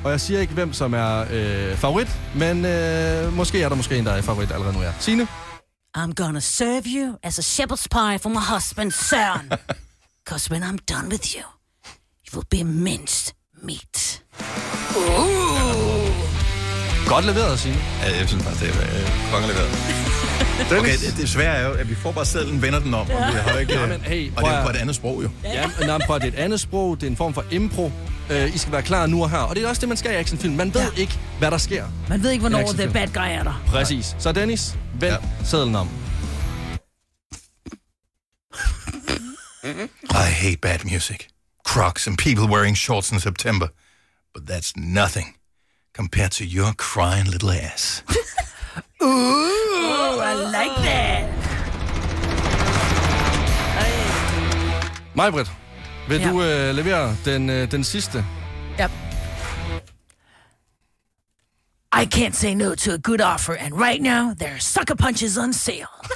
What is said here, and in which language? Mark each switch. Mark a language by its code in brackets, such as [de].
[da] Og jeg siger ikke, hvem som er favorit, men måske er der måske en, der er favorit allerede nu. Ja. Signe? [en] I'm gonna serve you as a shepherd's pie for my husband's son. Cause when I'm done with you, you will be minced meat. [da] Ooh. Godt leveret, Signe. Ja, jeg synes bare, det er kongeleveret. Okay, det svære er jo, at vi får bare selv en vender den om, og vi har ikke... Jamen, og det er jo på et andet sprog, jo. Ja, prøv, det er et andet sprog, det er en form for impro. I skal være klar nu og her. Og det er også det, man skal i actionfilm. Man ved ikke, hvad der sker. Man ved ikke, hvornår [en] the bad guy [da] er der. Præcis. Så Dennis, vend sedlen om. [en] I hate bad music. Crocs and people wearing shorts in September. But that's nothing compared to your crying little ass. Ooh, I like that. [da] Maj-Britt. Vil du levere den sidste? Ja. [en] I can't say no to a good offer, and right now, there are sucker punches on sale.